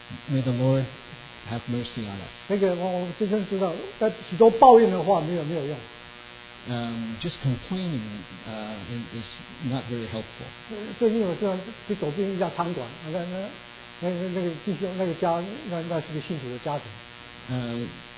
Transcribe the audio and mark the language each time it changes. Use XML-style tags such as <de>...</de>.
<en>May the Lord have mercy on us.</en> <zh>那个我真正知道，但许多抱怨的话没有用。</zh> <en>Just complaining is not very helpful.</en> <zh>最近我去走进一家餐馆，那个弟兄那个家那是个信主的家庭。</zh>